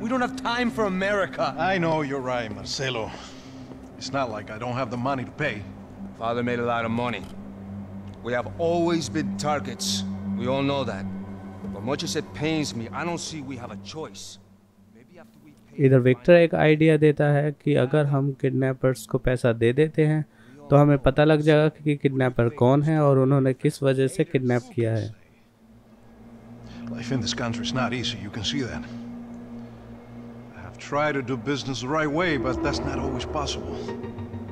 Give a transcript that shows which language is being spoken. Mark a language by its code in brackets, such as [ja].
[en] We don't have time for America. I know you're right, Marcelo. It's not like I don't have the money to pay. Father made a lot of money. We have always been targets. We all know that. But much as it pains me, I don't see we have a choice. Maybe after we pay. [hi] इधर Victor एक idea देता है कि अगर हम kidnappers को पैसा दे देते हैं तो हमें पता लग जाएगा कि किडनैपर कौन है और उन्होंने किस वजह से किडनैप किया है। [en] Life in this country is not easy, you can see that. I have tried to do business the right way, but that's not always possible.